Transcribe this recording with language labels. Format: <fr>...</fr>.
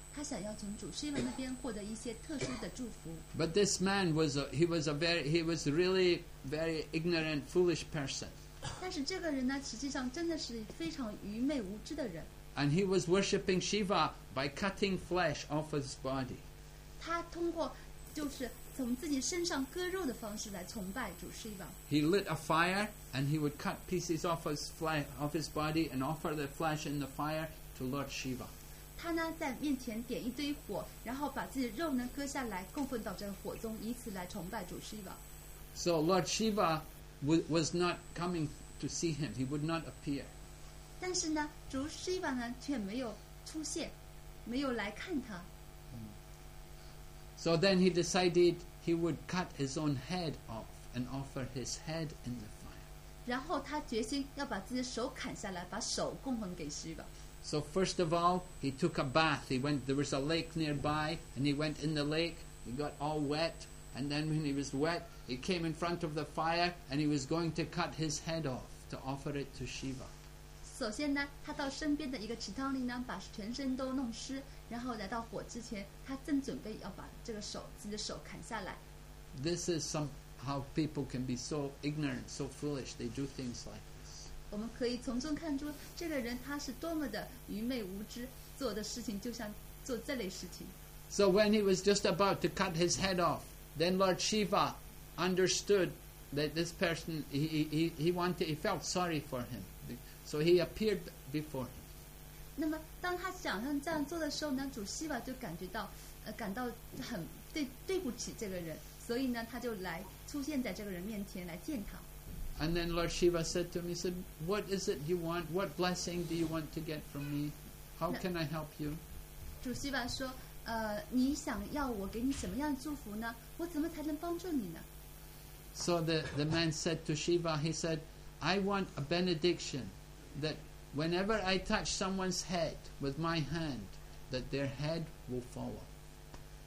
<zh>他想要从主释迦那边获得一些特殊的祝福。</zh> <en>But this man was he was really very ignorant, foolish person.</en> <zh>但是这个人呢，实际上真的是非常愚昧无知的人。</zh> <en>And he was worshipping Shiva by cutting flesh off his body.</en> <zh>他通过就是从自己身上割肉的方式来崇拜主释迦。</zh> <en>He lit a fire and he would cut pieces off his flesh off his body and offer the flesh in the fire to Lord Shiva.</en> <zh>他呢在面前点一堆火，然后把自己肉呢割下来供奉到这个火中，以此来崇拜主 Shiva。</zh> <en>So Lord Shiva was not coming to see him. He would not appear.</en> <zh>但是呢主 Shiva 呢却没有出现，没有来看他。</zh> <en>So then he decided he would cut his own head off and offer his head in the fire.</en> <zh>然后他决心要把自己手砍下来，把手供奉给 Shiva。</zh> <en>So first of all, he took a bath. There was a lake nearby, and he went in the lake. He got all wet, and then when he was wet, he came in front of the fire, and he was going to cut his head off to offer it to Shiva.</en> <zh>首先呢，他到身边的一个池塘里呢，把全身都弄湿，然后来到火之前，他正准备要把这个手，自己的手砍下来。</zh> <en>This is how people can be so ignorant, so foolish. They do things like.</en> <zh>我们可以从中看出这个人他是多么的愚昧无知，做的事情就像做这类事情。</zh> <en>So when he was just about to cut his head off, then Lord Shiva understood that this person he felt sorry for him, so he appeared before him.</en> <zh>那么当他想象这样做的时候呢，主希瓦就感觉到感到很对不起这个人，所以呢他就来出现在这个人面前来见他。</zh> <en>And then Lord Shiva said to him, he said, what is it you want? What blessing do you want to get from me? How can I help you?</en> <zh>主 Shiva 说，你想要我给你什么样祝福呢？我怎么才能帮助你呢？</zh> <en>So the man said to Shiva, he said, I want a benediction that whenever I touch someone's head with my hand, that their head will fall off.</en>